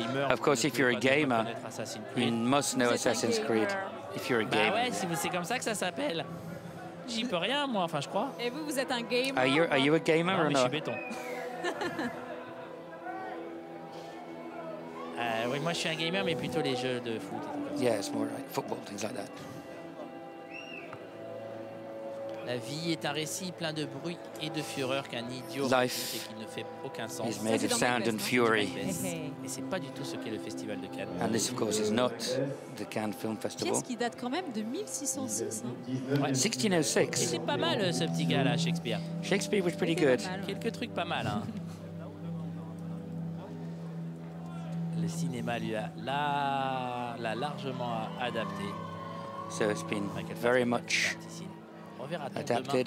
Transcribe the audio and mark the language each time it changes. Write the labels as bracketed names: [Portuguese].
[English] Of course, if you're a gamer, you must know Assassin's Creed. If you're a gamer. [French] Ah ouais, c'est comme ça que ça s'appelle. J'y peux rien, moi. Enfin, je crois. Et vous, vous êtes un gamer? [English] Are you a gamer or not? [French] Je suis béton. Oui, moi, je suis un gamer, mais plutôt les jeux de foot. [English] Yeah, it's more like football, things like that. [French] La vie est un récit plein de bruit et de fureur qu'un idiot [English] life [French] et qui ne fait aucun sens. [English] Is made of sound and fury. [French] Et c'est pas du tout ce qu'est le festival de Cannes. [English] And this of course is not the Cannes Film Festival. [French] Pièce qui date quand même de 1606. Hein? Ouais. 1606. Et c'est pas mal ce petit gars là, Shakespeare. [English] Shakespeare was pretty good. [French] Quelques trucs pas mal. Hein. Le cinéma lui a l'a largement adapté. [English] So it's been very much adapted.